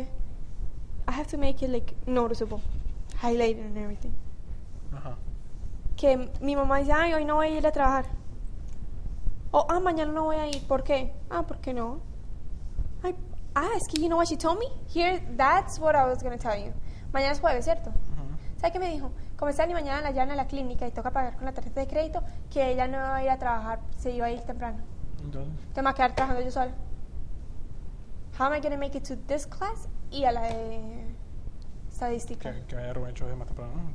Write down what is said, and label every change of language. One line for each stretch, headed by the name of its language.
English: I have to make it, like, noticeable. Highlighted and everything. Ajá.
Spanish: que mi mamá dice, ay, hoy no voy a ir a trabajar. O, ah, mañana no voy a ir, ¿por qué? Ah, ¿por qué no? Ay, ah, es que
English: you know what she told me? Here, that's what I was going to tell you.
Spanish: Mañana es jueves, ¿cierto? ¿Sabes qué me dijo? Como está ni mañana la llana a la clínica y toca pagar con la tarjeta de crédito, que ella no iba a ir a trabajar, se iba a ir temprano. Entonces, Tengo que quedar trabajando yo sola.
English: How am I going to make it to this class
Spanish: y a la de estadística? Que vaya Rubén Chávez más temprano, ¿no?